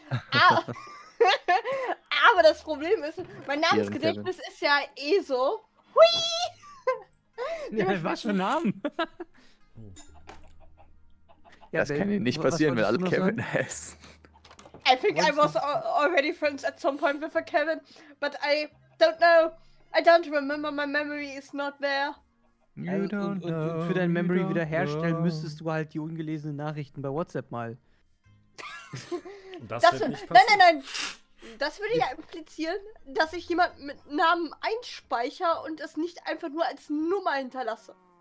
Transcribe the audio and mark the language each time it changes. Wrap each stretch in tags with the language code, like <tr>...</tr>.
<de>Aber das Problem ist, mein Namensgedächtnis ist ja eh so. Hui! Ja, das war schon ein Name. Ja, das kann nicht passieren, wenn alle Kevin heißen.</de> <en>I think I was already friends at some point with a Kevin, but I don't know. I don't remember, my memory is not there.</en> <de>Und für dein Memory wiederherstellen müsstest du halt die ungelesenen Nachrichten bei WhatsApp mal. Das wird nicht passieren. Nein. Das würde ja implizieren, dass ich jemanden mit Namen einspeichere und es nicht einfach nur als Nummer hinterlasse.</de>